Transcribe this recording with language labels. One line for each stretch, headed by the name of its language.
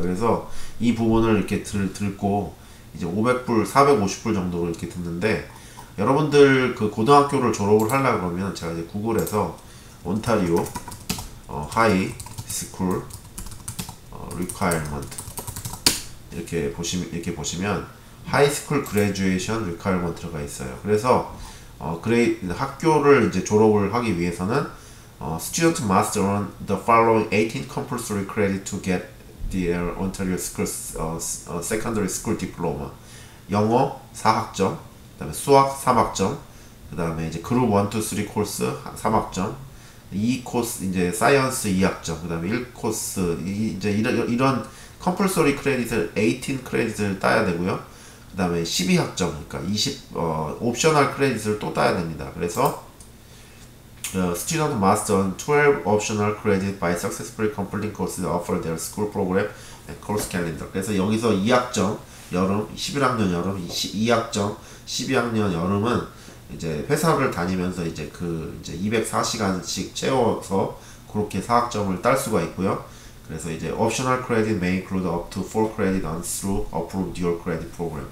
Korean: 그래서 이 부분을 이렇게 듣고 이제 500불, 450불 정도로 이렇게 듣는데, 여러분들 그 고등학교를 졸업을 하려고 그러면 제가 이제 구글에서 온타리오 하이 스쿨 requirement 이렇게 보시면 하이스쿨 그레듀에이션 requirement 들어가 있어요. 그래서 학교를 이제 졸업을 하기 위해서는
English: Student must earn the following 18 compulsory credit to get their Ontario school, secondary school diploma.
Korean: 영어 4학점, 그 다음에 수학 3학점, 그 다음에 이제 그룹 1, 2, 3 코스 3학점, 2코스 이제 사이언스 2학점, 그 다음에 1코스 이제 이런 컴펄서리 크레딧을 18 크레딧을 따야 되고요. 그 다음에 12학점, 그러니까 옵셔널 크레딧을 또 따야 됩니다.
English: 그래서 Student must earn 12 optional credit by successfully completing courses offered their school program and course calendar.
Korean: 그래서 여기서 2학점 여름, 11학년 여름, 2학점 12학년 여름은 이제 회사를 다니면서 이제 이제 204시간씩 채워서 그렇게 4학점을 딸 수가 있고요. 그래서 이제
English: optional credit may include up to 4 credit on through approved dual credit program.